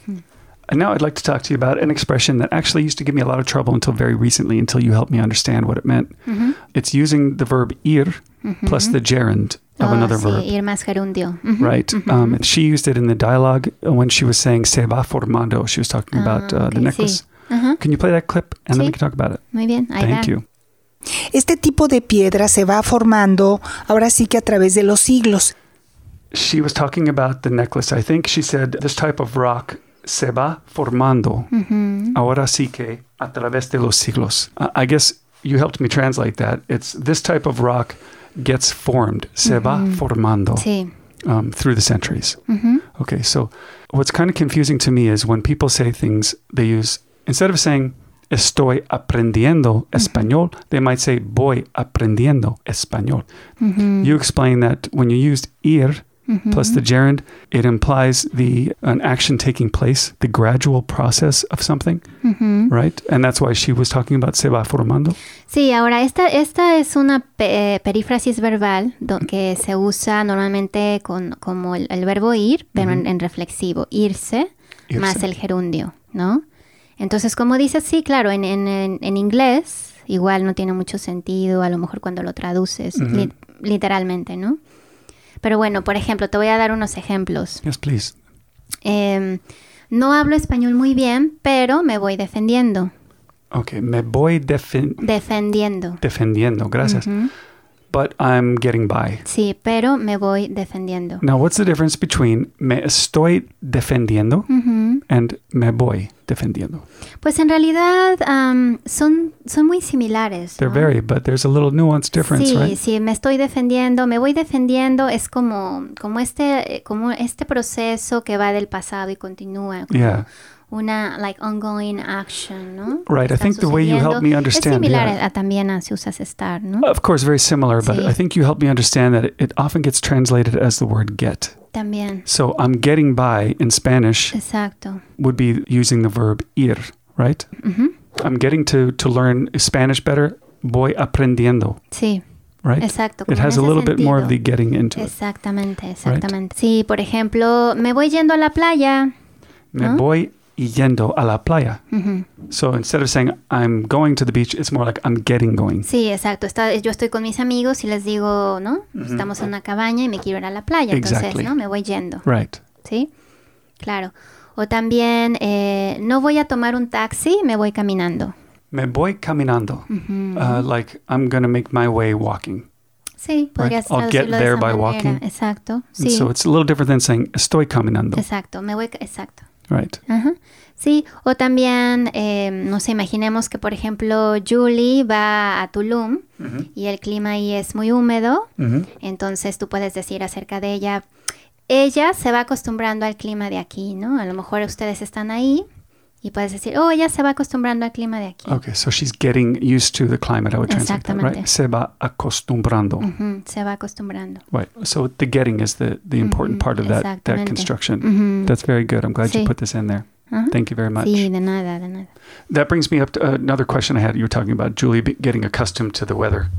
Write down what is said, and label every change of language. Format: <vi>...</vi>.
<en>And now I'd like to talk to you about an expression that actually used to give me a lot of trouble until very recently, until you helped me understand what it meant. Mm-hmm. It's using the verb ir plus the gerund of another</en> <es>sí,</es> <en>verb.</en> <es>Ir más gerundio.</es> <en>Mm-hmm. Right. Mm-hmm. She used it in the dialogue when she was saying</en> <es>se va formando.</es> <en>She was talking about okay, the necklace.</en> <es>Sí.</es> <en>Uh-huh. Can you play that clip and</en> <es>sí,</es> <en>then we can talk about it?</en> <es>Muy bien.</es> <en>Thank you.</en> <es>Este tipo de piedra se va formando ahora sí que a través de los siglos.</es> <en>She was talking about the necklace. I think she said this type of rock</en> <es>se va formando ahora sí que a través de los siglos.</es> <en>I guess you helped me translate that. It's this type of rock gets formed.</en> <es>Se va formando. Sí.</es> <en>Through the centuries. Mm-hmm. Okay, so what's kind of confusing to me is when people say things, they use, instead of saying,</en> <es>estoy aprendiendo español,</es> <en>they might say,</en> <es>voy aprendiendo español. Mm-hmm.</es> <en>You explained that when you used ir plus the gerund, it implies an action taking place, the gradual process of something, right? And that's why she was talking about</en> <es>se va formando. Sí, ahora esta es una perífrasis verbal que se usa normalmente como el verbo ir, pero en reflexivo, irse más el gerundio, ¿no? Entonces, como dices, sí, claro, en inglés igual no tiene mucho sentido, a lo mejor cuando lo traduces literalmente, ¿no? Pero bueno, por ejemplo, te voy a dar unos ejemplos.</es> <en>Yes, please.</en> <es>No hablo español muy bien, pero me voy defendiendo. Okay, me voy defendiendo. Defendiendo, gracias.</es> <en>But I'm getting by.</en> <es>Sí, pero me voy defendiendo.</es> <en>Now, what's the difference between</en> <es>me estoy defendiendo</es> <en>and</en> <es>me voy defendiendo? Pues en realidad son muy similares.</es> <en>They're very, but there's a little nuanced difference,</en> <es>sí,</es> <en>right?</en> <es>Sí, me estoy defendiendo. Me voy defendiendo es como este proceso que va del pasado y continúa.</es> <en>Yeah.</en> <es>Una,</es> <en>like, ongoing action,</en> <es>¿no?</es> <en>Right, I think the way you helped me understand,</en> <es>es similar</es> <en>yeah.</en> <es>a también a si usas estar, ¿no?</es> <en>Of course, very similar, but</en> <es>sí.</es> <en>I think you helped me understand that it often gets translated as the word get.</en> <es>También.</es> <en>So, I'm getting by in Spanish.</en> <es>Exacto.</es> <en>Would be using the verb ir, right? Mm-hmm. I'm getting to learn Spanish better.</en> <es>Voy aprendiendo. Sí.</es> <en>Right?</en> <es>Exacto.</es> <en>It has a little bit more of the getting into</en> <es>exactamente,</es> <en>it.</en> <es>Exactamente, exactamente.</es> <en>Right?</en> <es>Sí, por ejemplo, me voy yendo a la playa. Me ¿no? voy yendo a la playa. Mm-hmm.</es> <en>So instead of saying I'm going to the beach, it's more like I'm getting going.</en> <es>Sí, exacto. Yo estoy con mis amigos y les digo, ¿no? Mm-hmm. Estamos en una cabaña y me quiero ir a la playa.</es> <en>Exactly.</en> <es>Entonces, ¿no? Me voy yendo.</es> <en>Right.</en> <es>Sí. Claro. O también, no voy a tomar un taxi, me voy caminando. Me voy caminando. Mm-hmm.</es> <en>Like I'm going to make my way walking.</en> <es>Sí, podrías</es> <en>right.</en> <es>traducirlo</es> <en>I'll get there by</en> <es>manera.</es> <en>Walking.</en> <es>Exacto. Sí.</es> <en>And so it's a little different than saying</en> <es>estoy caminando. Exacto. Me voy, exacto.</es> <en>Right. Uh-huh.</en> <es>Sí, o también, no sé, imaginemos que, por ejemplo, Julie va a Tulum y el clima ahí es muy húmedo. Entonces tú puedes decir acerca de ella, ella se va acostumbrando al clima de aquí, ¿no? A lo mejor ustedes están ahí y puedes decir, oh, ella se va acostumbrando al clima de aquí.</es> <en>Okay, so she's getting used to the climate, I would translate</en> <es>exactamente.</es> <en>That, right?</en> <es>Se va acostumbrando. Uh-huh. Se va acostumbrando.</es> <en>Right, so the getting is the important part of that construction. Uh-huh. That's very good. I'm glad</en> <es>sí.</es> <en>you put this in there. Uh-huh. Thank you very much.</en> <es>Sí, de nada, de nada.</es> <en>That brings me up to another question I had. You were talking about Julie getting accustomed to the weather.</en>